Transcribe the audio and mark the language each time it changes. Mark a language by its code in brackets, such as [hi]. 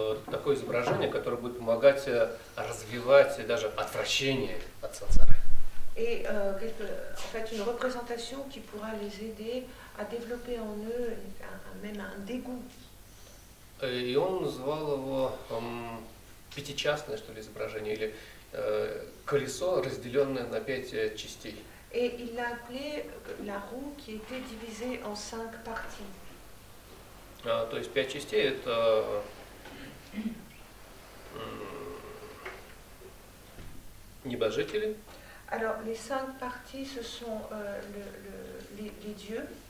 [ru] такое изображение, которое будет помогать развивать даже отвращение от сансары. [fr] Et en fait, une représentation qui pourra les aider à développer en eux même un dégoût. [ru] И он называл его пятичастное, что ли, изображение, или колесо, разделенное на пять частей. [fr] Et il l'a appelé la roue qui était divisée en cinq parties. [ru] То есть пять частей это небожители. [fr] Alors les cinq parties ce sont les dieux.